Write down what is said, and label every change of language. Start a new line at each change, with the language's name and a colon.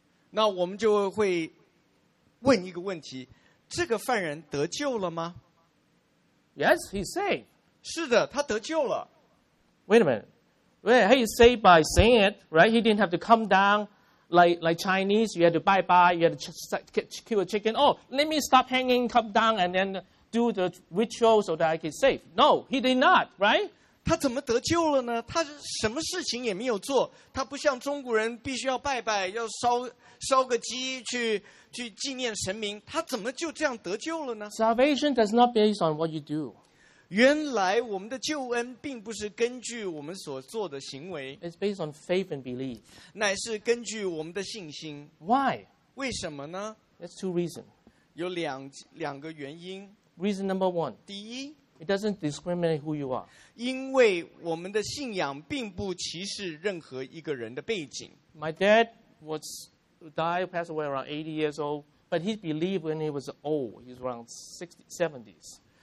Chinese: 那我们就会问一个问题，这个犯人得救了吗？
English: Yes, he's saved.
Chinese: 是的，他得救了。
English: Wait a minute. Well, he is saved by saying it, right? He didn't have to come down like Chinese. You had to bye-bye. You had to kill a chicken. Oh, let me stop hanging, come down, and then do the ritual so that I can save. No, he did not, right?
Chinese: 他怎么得救了呢？他什么事情也没有做。他不像中国人必须要拜拜，要烧个鸡去纪念神明。他怎么就这样得救了呢？
English: Salvation does not based on what you do.
Chinese: 原来我们的救恩并不是根据我们所做的行为
English: ，It's based on faith and belief，
Chinese: 乃是根据我们的信心。
English: Why？
Chinese: 为什么呢
English: ？That's two reasons，
Chinese: 有两个原因。
English: Reason number one，
Chinese: 第一
English: ，It doesn't discriminate who you are，
Chinese: 因为我们的信仰并不歧视任何一个人的背景。
English: My dad was died passed away around 80 years old， but he believed when he was old， he's around 60s, 70s，